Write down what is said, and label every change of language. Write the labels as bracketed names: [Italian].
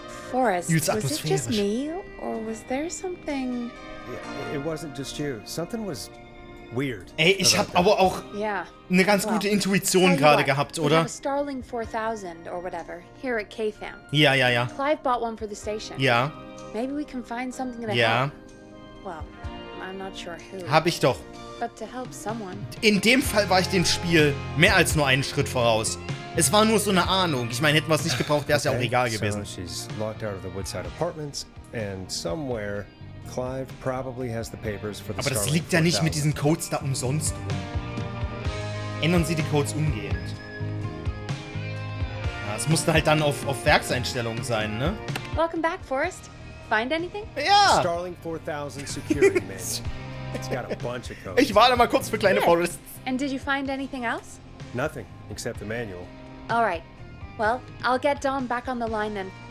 [English] Forrest, was it just me, or was there something... It wasn't just you. Something was weird. [German] Ey, ich hab aber auch eine ganz gute Intuition gerade gehabt, oder? [English] We have a Starling 4000, or whatever, here at KFAM. [German] Ja. [English] Clive bought one for the station. [German] Ja. [English] Maybe we can find something to help. [German] Ja. [English] Well, I'm not sure who. [German] Hab ich doch. [English] But to help someone. [German] In dem Fall war ich dem Spiel mehr als nur einen Schritt voraus. Es war nur so eine Ahnung. Ich meine, hätten wir es nicht gebraucht, wäre es ja auch egal gewesen. [English] So she's locked out of the Woodside Apartments and somewhere Clive probably has the papers for the [German] Aber das liegt ja nicht mit diesen Codes da umsonst. Ändern Sie die Codes umgehend. Ja, es musste halt dann auf Werkseinstellungen sein, ne? [English] Welcome back, Forrest. Find anything? [German] Ja. [English] Starling 4000 security man. It's got a bunch of codes. [German] Ich warte mal kurz für kleine Forrest. [English] And did you find anything else? Nothing, except the manual. All right. Well, I'll get Dawn back on the line then.